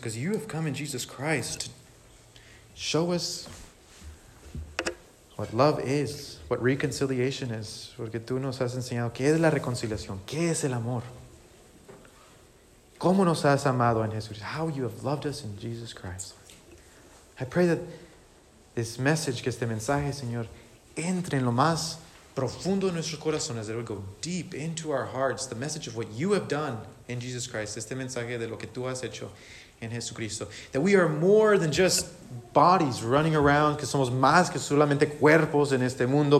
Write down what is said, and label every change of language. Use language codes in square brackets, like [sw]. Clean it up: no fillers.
[en] Because you have come in Jesus Christ to show us what love is, what reconciliation is. [es] Porque tú nos has enseñado qué es la reconciliación, qué es el amor. Cómo nos has amado en Jesucristo. [en] How you have loved us in Jesus Christ. I pray that this message, [es] que este mensaje, Señor, entre en lo más profundo de nuestros corazones. [en] It will go deep into our hearts. The message of what you have done in Jesus Christ. [es] Este mensaje de lo que tú has hecho en Jesucristo. [en] That we are more than just bodies running around. [es] Que somos más que solamente cuerpos en este mundo.